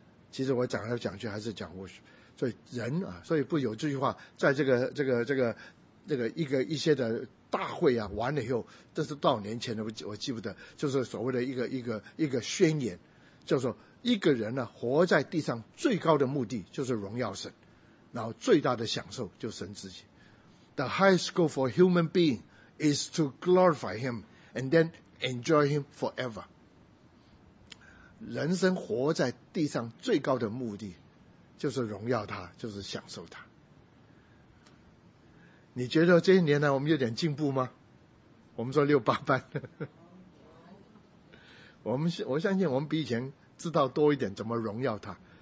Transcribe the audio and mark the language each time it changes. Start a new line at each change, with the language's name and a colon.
Chinese: 其实我讲来讲去还是讲我，所以人啊，所以不有这句话，在一些的大会啊完了以后，这是多少年前的，我记不得，就是所谓的一个宣言，叫做一个人呢、啊、活在地上最高的目的就是荣耀神，然后最大的享受就是神自己。
English: The highest goal for human being is to glorify him and then enjoy him forever.
Chinese: 人生活在地上最高的目的就是荣耀他，就是享受他。你觉得这些年来我们有点进步吗？我们说6-8班。我相信我们比以前知道多一点怎么荣耀他。